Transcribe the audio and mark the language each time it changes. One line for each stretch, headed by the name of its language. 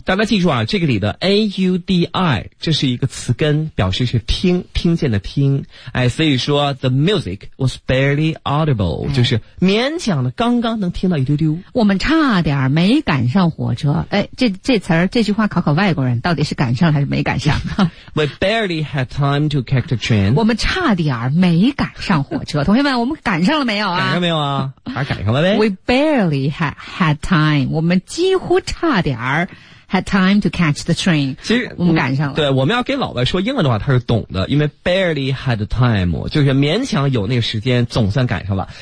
Chinese: 大家记住啊，这个里的 audi 这是一个词根，表示是听，听见的听。哎，所以说
English: the music was barely audible，
Chinese: 就是勉强的刚刚能听到一丢丢。我们差点没赶上火车。哎，这词儿这句话考考外国人，到底是赶上还是没赶上
English: ？We barely had time to catch the train。
Chinese: 我们差点没赶上火车。同学们，我们赶上了没有啊？赶上没有啊？还赶上了呗。
English: We barely had time，
Chinese: 我们几乎差点儿。
English: Had time to catch the train。
Chinese: 其实我们赶上了。对，我们要给老外说英文的话，他是懂的，因为
English: barely had time，
Chinese: 就是勉强有那个时间，总算赶上了。